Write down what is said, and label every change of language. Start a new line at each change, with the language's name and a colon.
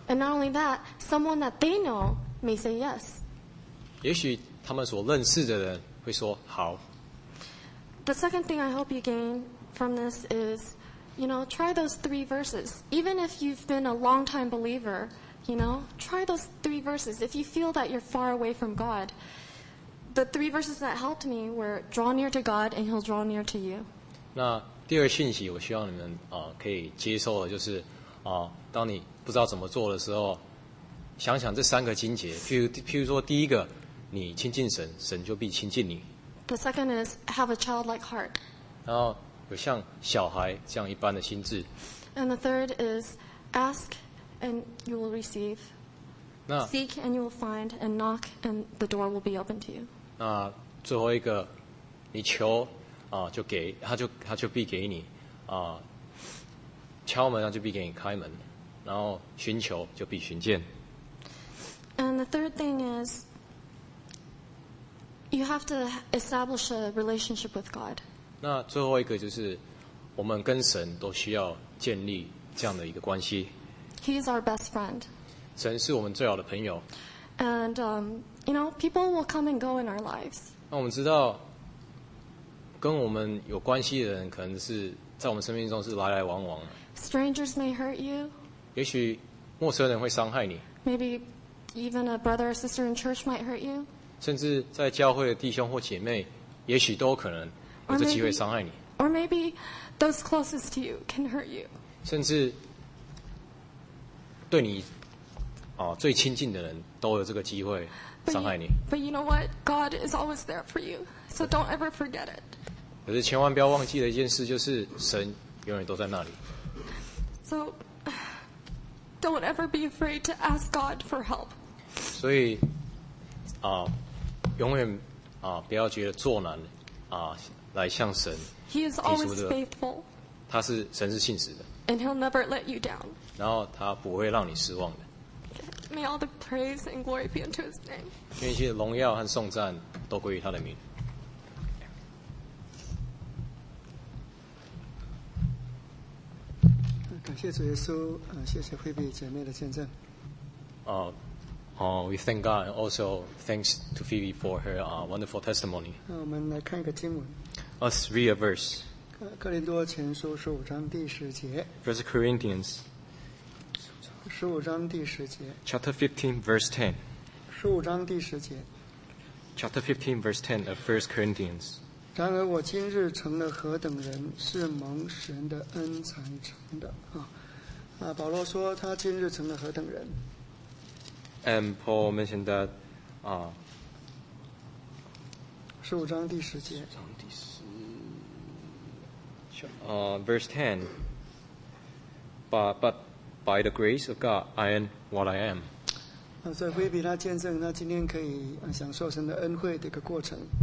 English: And not only that, someone that they know may say yes.
Chinese: 也许他们所认识的人会说好。
English: The second thing I hope you gain from this is, you know, try those three verses. Even if you've been a long-time believer, you know, try those three verses. If you feel that you're far away from God, the three verses that helped me were draw near to God and He'll draw near to you.
Chinese: 那第二信息我希望你们可以接受的就是，当你不知道怎么做的时候，想想这三个经节，譬如说第一个，你亲近神，神就必亲近你。
English: The second is have a childlike heart.
Chinese: 然后有像小孩这样一般的心智。
English: And the third is ask and you will receive.
Chinese: 那,
English: seek and you will find, and knock and the door will be open to you.
Chinese: 那最后一个，你求，就给，他就必给你，敲门，他就必给你开门。然后寻求就必寻见。
English: And the third thing is, you have to establish a relationship with God.
Chinese: 那最后一个就是，我们跟神都需要建立这样的一个关系。
English: He is our best friend.
Chinese: 神是我们最好的朋友。
English: And you know, people will come and go in our lives.
Chinese: 那我们知道，跟我们有关系的人可能是在我们生命中是来来往往的。
English: Strangers may hurt you.
Chinese: 也许陌生人会伤害你。
English: Maybe even a brother or sister in church might hurt you.
Chinese: 甚至在教会的弟兄或姐妹，也许都有可能有这机会伤害你。
English: Or maybe those closest to you can hurt you.
Chinese: 甚至对你最亲近的人都有这个机会伤害你。
English: But you know what? God is always there for you, so don't ever forget it.
Chinese: 可是千万不要忘记的一件事就是，神永远都在那里。
English: So don't ever be afraid to ask God for help.
Chinese: 所以永远不要觉得做难来向神提出这个。
English: He is always faithful.
Chinese: 他是神是信实的。
English: And he'll never let you down.
Chinese: 然后他不会让你失望的。
English: May all the praise and glory be unto his name.
Chinese: 愿一切的荣耀和颂赞都归于他的名。感谢主耶稣，谢谢惠比姐妹的见证。
English: We thank God and also thanks to Phoebe for her wonderful testimony.
Chinese: 我们来看一个经文。
English: Let's read a verse.
Chinese: 哥林多前书十五章第十节。
English: First Corinthians.
Chinese: 十五章第十节。
English: Chapter 15, verse 10.
Chinese: 十五章第十节。
English: Chapter 15, verse 10 of First Corinthians.
Chinese: 然而我今日成了何等人，是蒙神的恩才成的啊！保罗说他今日成了何等人。
English: And Paul mentioned that,
Chinese: 十五章第十节。十五章第十。
English: Verse ten. But by the grace of God, I am what I am.
Chinese: 所以菲比他见证他今天可以享受神的恩惠的一个过程。